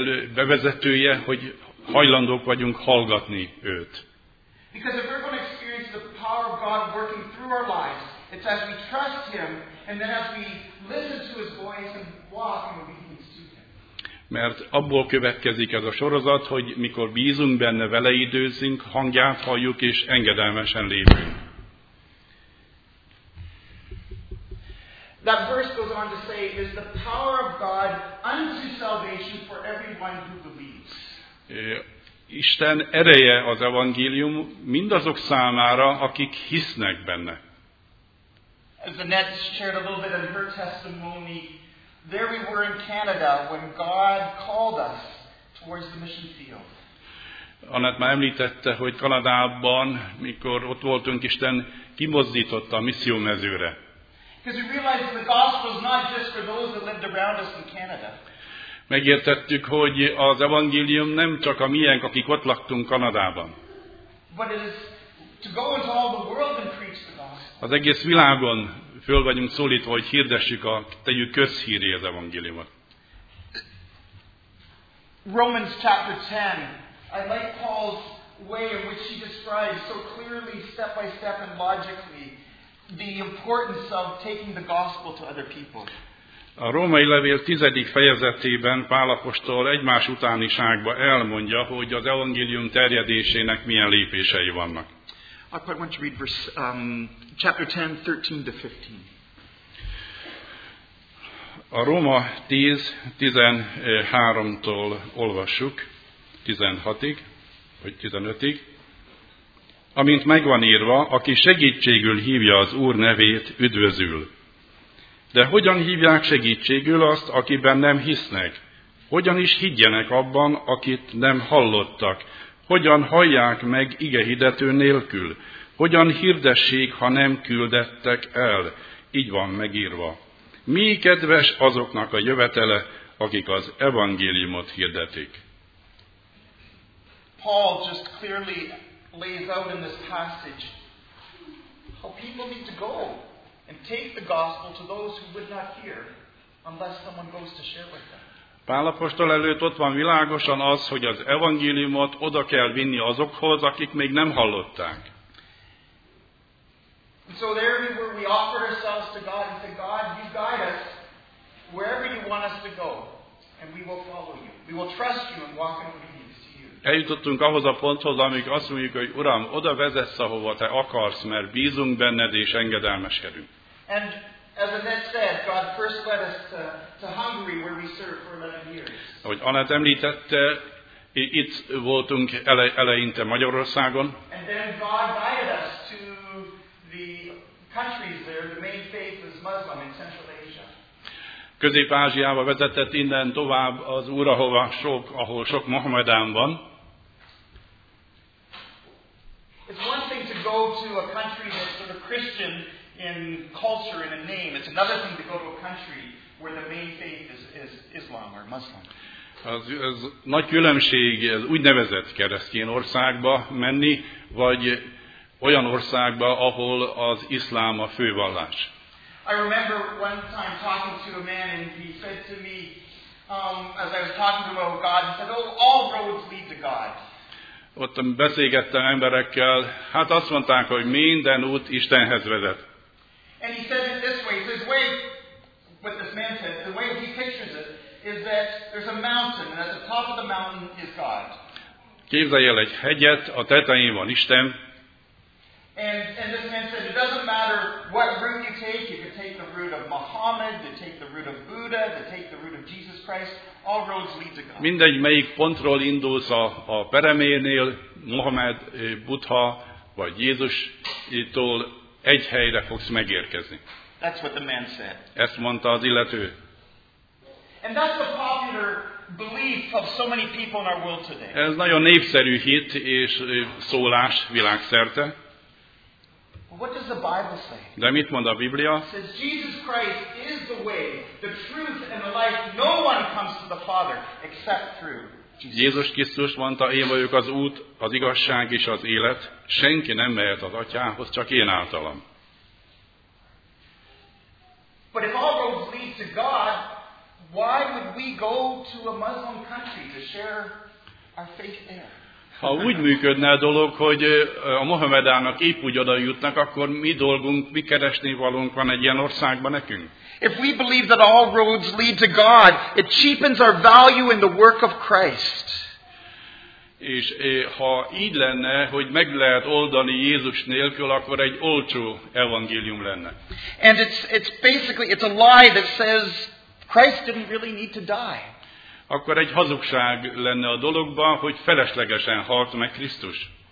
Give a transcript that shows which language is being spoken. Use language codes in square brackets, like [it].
[hu] De ennek bevezetője, hogy hajlandók vagyunk hallgatni őt. [en] Because if we're going to experience the power of God working through our lives, it's as we trust Him. And then as we listen to His voice and walk in obedience to Him. [hu] Mert abból következik ez a sorozat, hogy mikor bízunk benne, vele időzünk, hangját halljuk és engedelmesen lépünk. [en] That verse goes on to say is the power of God unto salvation for everyone who believes. [hu] Isten ereje az evangélium mindazok számára, akik hisznek benne. [en] As Annette shared a little bit in her testimony, there we were in Canada when God called us towards the mission field. [hu] Annette már említette, hogy Kanadában, mikor ott voltunk, Isten kimozdította a misszió mezőre. [en] Because we realized that the gospel is not just for those that lived around us in Canada. [hu] Megértettük, hogy az evangélium nem csak a miénk, akik ott laktunk Kanadában. [en] But it is to go into all the world and preach the gospel. [hu] Az egész világon föl vagyunk szólítva, hogy hirdessük a tegyük közhírré az evangéliumot. [en] Romans chapter 10. I like Paul's way in which he describes so clearly, step by step and logically, the importance of taking the gospel to other people. [hu] A Római Levél 10. fejezetében Pál apostol egymás utániságba elmondja, hogy az evangélium terjedésének milyen lépései vannak. [en] I want you to read chapter 10, 13-15. [hu] A Róma 10, 13-tól olvassuk, 16-ig, vagy 15-ig. Amint megvan írva, aki segítségül hívja az Úr nevét, üdvözül. De hogyan hívják segítségül azt, akiben nem hisznek? Hogyan is higgyenek abban, akit nem hallottak? Hogyan hallják meg ige hirdető nélkül? Hogyan hirdessék, ha nem küldettek el? Így van megírva. Mi kedves azoknak a jövetele, akik az evangéliumot hirdetik? [en] Paul just clearly lays out in this passage how people need to go and take the gospel to those who would not hear unless someone goes to share with them. [hu] Pál apostol előtt ott van világosan az, hogy az evangéliumot oda kell vinni azokhoz, akik még nem hallották. [en] So there we were, we offered ourselves to God and said, God, you guide us wherever you want us to go, and we will follow you. We will trust you and walk in obedience to you. [hu] Eljutottunk ahhoz a ponthoz, amíg azt mondjuk, hogy Uram, oda vezessz, ahova te akarsz, mert bízunk benned és engedelmeskedünk. [en] And as Annette said, God first led us to Hungary, where we served for 11 years. [hu] Ahogy Annette említette, itt voltunk eleinte Magyarországon. [en] And then God guided us to the countries there. The main faith is Muslim in Central Asia. [hu] Közép-Ázsiába vezetett, innen tovább az Úr, ahol sok Mohamedán van. [en] It's one thing to go to a country that's sort of Christian in culture and in name. It's another thing to go to a country where the main faith is Islam or Muslim. [hu] Az nagy különbség az úgynevezett keresztény országba menni, vagy olyan országba, ahol az iszlám a fővallás. [en] I remember one time talking to a man, and he said to me, as I was talking to him about God, he said, "Oh, all roads lead to God." [hu] Ott beszélgettem emberekkel, hát azt mondták, hogy minden út Istenhez vezet. [en] And he said it this way. He says, "Way," what this man said, the way he pictures it is that there's a mountain, and at the top of the mountain is God. [hu] Képzelj el egy hegyet, a tetején van Isten. [en] And this man said, it doesn't matter what route you take. You can take the route of Muhammad, you take the route of Buddha, you take the route of Jesus Christ. All roads lead to God. [hu] Mindegy, melyik pontról indulsz a pereménél, Muhammad, Buddha, vagy Jézustól, egy helyre fogsz megérkezni. [en] That's what the man said. [hu] Ezt mondta az illető. [en] And that's the popular belief of so many people in our world today. [hu] Ez nagyon népszerű hit és szólás világszerte. [en] What does the Bible say? [hu] De mit mond a Biblia? [en] It says Jesus Christ is the way, the truth and the life. No one comes to the Father except through Jesus. [hu] Jézus Krisztus mondta, én vagyok az út, az igazság és az élet. Senki nem mehet az Atyához, csak én általam. [en] But if all roads lead to God, why would we go to a Muslim country to share our faith there? [hu] Ha úgy működne a dolog, hogy a Mohamedának épp úgy oda jutnak, akkor mi dolgunk, mi keresni valunk van egy ilyen országban nekünk? [en] If we believe that all roads lead to God, it cheapens our value in the work of Christ. [hu] És ha így lenne, hogy meg lehet oldani Jézus nélkül, akkor egy olcsó evangélium lenne. [en] And it's basically, it's a lie that says Christ didn't really need to die. [hu] Akkor egy hazugság lenne a dologban, hogy feleslegesen halt meg Krisztus.